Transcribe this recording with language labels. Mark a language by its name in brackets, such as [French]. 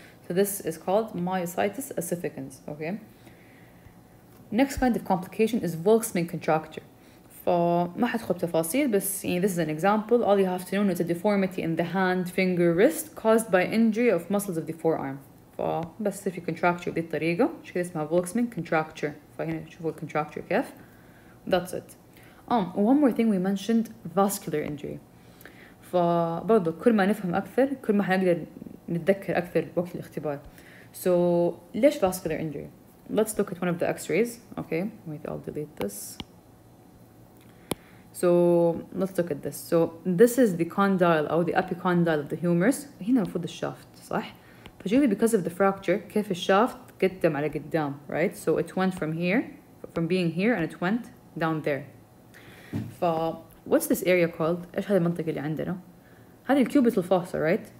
[English] So this is called myositis ossificans. Okay. Next kind of complication is Volksmann contracture. [Arabic] فما حدخل بتفاصيل, بس يعني [English] this is an example. All you have to know is a deformity in the hand, finger, wrist caused by injury of muscles of the forearm. [Arabic] بس يصير في contracture بالطريقة شو كده اسمها Volksmann contracture. فهنا شوفوا contracture كيف. [English] That's it. One more thing we mentioned, vascular injury. [Arabic] فبرضو كل ما نفهم أكثر كل ما حنقدر نتذكر أكثر وقت الاختبار. [English] So ليش vascular injury? Let's look at one of the x-rays. Okay, wait, I'll delete this. So let's look at this. So this is the condyle or the epicondyle of the humerus. [Arabic] هنا المفروض الشافت صح؟ فجيلي [English] because of the fracture, [Arabic] كيف الشافت قدم على قدام, right? [English] So it went from here, from being here, and it went down there. ف what's this area called? [Arabic] إيش هذه المنطقة اللي عندنا؟ هذه cubital fossa, right?